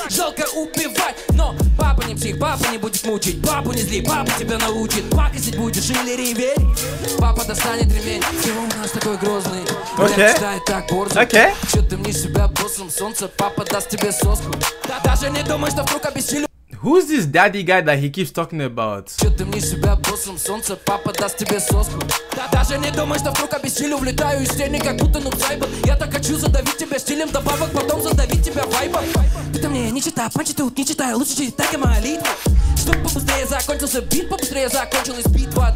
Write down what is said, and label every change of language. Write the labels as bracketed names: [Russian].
[Russian] Жалко убивать, но папа не псих, папа не будет мучить. Папу не зли, папа тебя научит. Пакостить будешь или реветь, папа достанет ремень. Чего у нас такой грозный? [English] Okay. [Russian] Я читаю так борзо. [English] Okay. [Russian] Чё ты мне себя боссом? Солнце, папа даст тебе соску. Да даже не думай, что вдруг обессилю. [English] Who's this daddy guy that he keeps talking about? [Russian] Чё ты мне себя боссом? Солнце, папа даст тебе соску. Да даже не думай, что вдруг обессилю. Влетаю из тени, как будто нуб зайба. Я так хочу задавить тебя стилем добавок, потом задавить тебя вайбом. Ты-то мне не читай, панчи тут не читаю. Лучше читай, так и молитву. Чтоб побыстрее закончился бит, побыстрее закончилась битва.